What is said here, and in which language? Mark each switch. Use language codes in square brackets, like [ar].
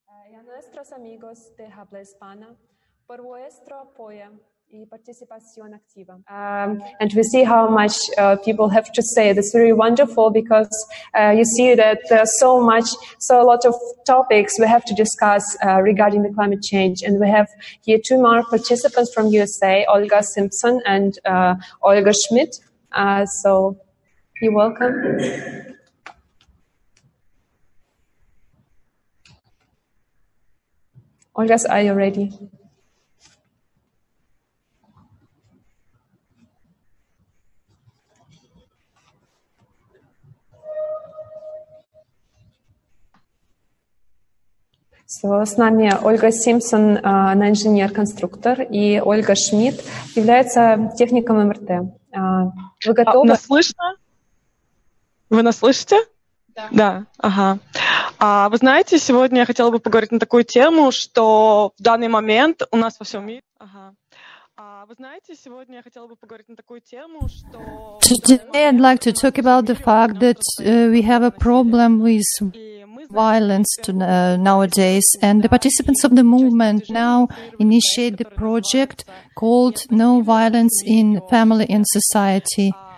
[es] Y a nuestros amigos de habla hispana por vuestro apoyo y participación activa. [en] And we see how much people have to say. This is very wonderful because you see that there's a lot of topics we have to discuss regarding the climate change. And we have here two more participants from USA, Olga Simpson and Olga Schmidt. So you're welcome. Olga, are you ready? [ru] So, с нами Ольга Симпсон, она инженер-конструктор, и Ольга Шмидт является техником МРТ. Вы готовы? Нас слышно? Вы нас слышите? Да. Да, ага. Вы знаете, сегодня я хотела бы поговорить на такую тему, что в данный момент у нас во всем мире... Ага. [en] Today I'd like to talk about the fact that we have a problem with violence nowadays, and the participants of the movement now initiate the project called No Violence in Family and Society.